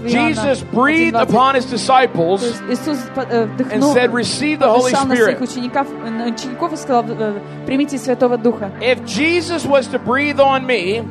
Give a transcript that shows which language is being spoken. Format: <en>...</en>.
<en>Jesus breathed upon his disciples and said, "Receive the Holy Spirit."</en> <ru>Учеников и сказал, примите Святого Духа.</ru> <en>If Jesus was to breathe on me,</en>